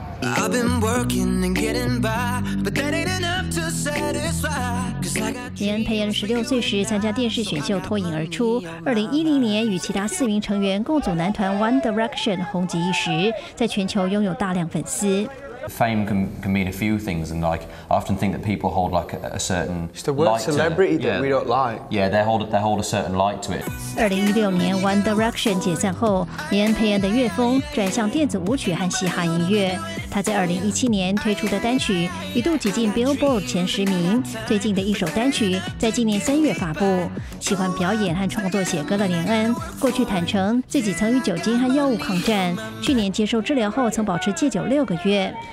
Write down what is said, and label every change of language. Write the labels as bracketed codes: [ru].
[zh] 林恩·佩恩16岁时参加电视选秀脱颖而出，2010年与其他4名成员共组男团 One Direction 红极一时，在全球拥有大量粉丝。 [en] Fame can mean a few things, and like I often think that people hold like a certain light to it. It's the word celebrity that we don't like. Yeah, they hold a certain light to it. [zh] 2016年 One Direction 解散后，李恩培恩的乐风转向电子舞曲和嘻哈音乐。他在2017年推出的单曲一度挤进 Billboard 前十名。最近的一首单曲在今年3月发布。喜欢表演和创作写歌的李恩，过去坦诚自己曾与酒精和药物抗战，去年接受治疗后曾保持戒酒6个月。